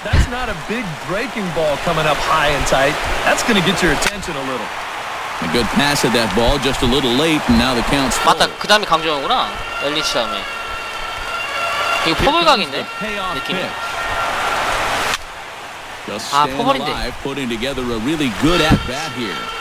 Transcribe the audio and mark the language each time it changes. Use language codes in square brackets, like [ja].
[en] That's not a big breaking ball coming up high and tight. That's going to get your attention a little. A good pass at that ball, just a little late, and now the count's full. [ko] 맞다, 그 다음에 강정호구나. 엘리치 다음에. 이거 포볼각인데, 느낌이. 아, 포볼인데. [en] putting together a really good at bat here.